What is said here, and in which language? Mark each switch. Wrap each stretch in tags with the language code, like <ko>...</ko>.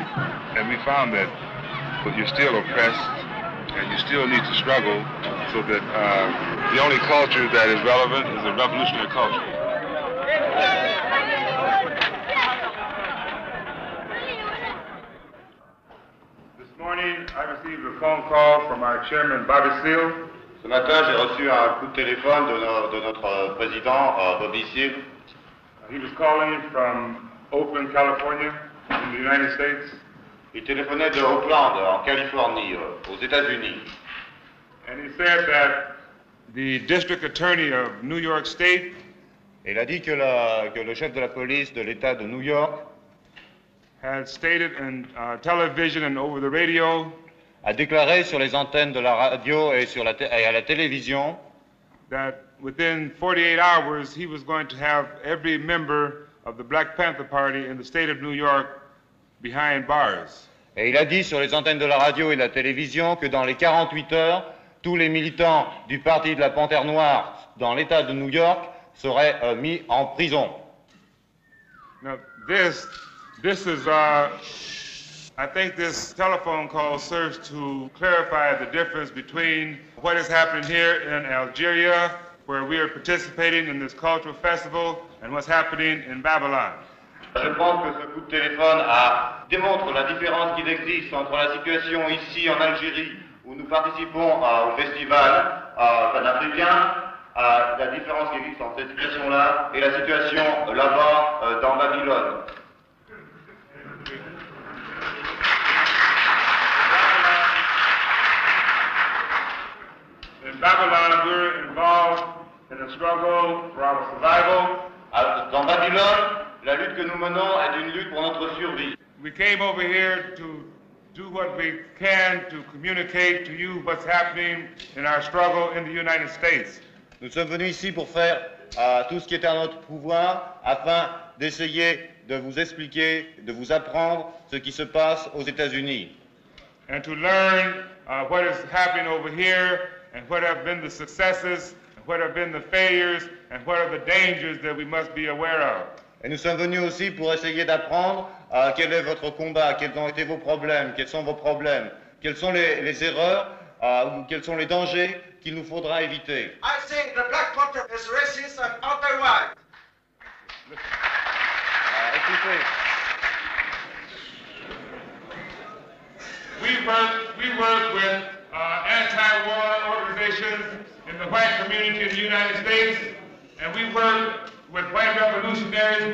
<en>And we found that you're still oppressed, and you still need to struggle, so that the only culture that is relevant is a revolutionary culture. This morning, I received a phone call from our chairman, Bobby Seale.</en> <fr>Ce matin, j'ai reçu un coup de téléphone de notre président, Bobby Seale.</fr> <en>He was calling from Oakland, California, in the United States.</en> <fr>Il téléphonait de Oakland, en Californie, aux États-Unis.</fr> <en>And he said that the district attorney of New York State...</en> <fr>Il a dit que, la, que le chef de la police de l'État de New York...</fr> <en>...had stated in television and over the radio...</en> <fr>a déclaré sur les antennes de la radio et, sur la et à la télévision</fr> <en>that within 48 hours he was going to have every member of the Black Panther Party in the state of New York behind bars.</en> <fr>Et il a dit sur les antennes de la radio et de la télévision que dans les 48 heures, tous les militants du Parti de la Panthère Noire dans l'État de New York seraient mis en prison.</fr> <en>Now, this is... I think this telephone call serves to clarify the difference between what is happening here in Algeria, where we are participating in this cultural festival, and what's happening in Babylon.</en> <fr>Je pense que ce coup de téléphone démontre la différence qui existe entre la situation ici en Algérie, où nous participons au festival panafricain, la différence qui existe entre cette situation-là et la situation là-bas dans Babylone.</fr> <en>In Babylon, we're involved in a struggle for our survival.</en> <fr>Dans Babylone, la lutte que nous menons est une lutte pour notre survie.</fr> <en>We came over here to do what we can to communicate to you what's happening in our struggle in the United States.</en> <fr>Nous sommes venus ici pour faire tout ce qui est à notre pouvoir afin d'essayer de vous expliquer, de vous apprendre ce qui se passe aux États-Unis.</fr> <en>And to learn what is happening over here. And what have been the successes, and what have been the failures, and what are the dangers that we must be aware of.</en> <fr>Et nous sommes venus aussi pour essayer d'apprendre quel est votre combat, quels ont été vos problèmes, quels sont vos problèmes, quelles sont les erreurs, ou quels sont les dangers qu'il nous faudra éviter.</fr> <en>I think the Black Panther is racist and otherwise. We work with anti-war organizations in the white community in the United States, and we work with white revolutionaries.</en>